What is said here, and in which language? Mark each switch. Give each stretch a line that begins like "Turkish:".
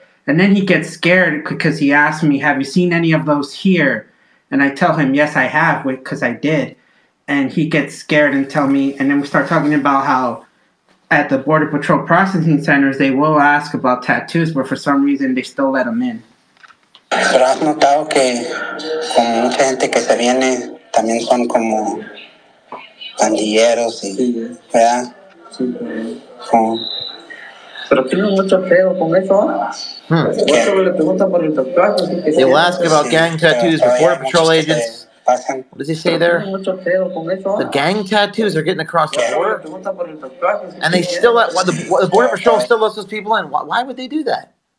English: And then he gets scared because he asks me, have you seen any of those here? And I tell him, yes, I have, because I did. And he gets scared and tell me, and then we start talking about how at the Border Patrol processing centers, they will ask about tattoos, but for some reason, they still let them in.
Spanish: Pero has notado que con mucha gente que se viene, también son como pandilleros, y, ¿verdad? Sí. Con...
English: He'll ask about gang tattoos for Border Patrol agents. What does he say there? The gang tattoos are getting across the border. And they still let, the Border Patrol still lets those people in. Why would they do that?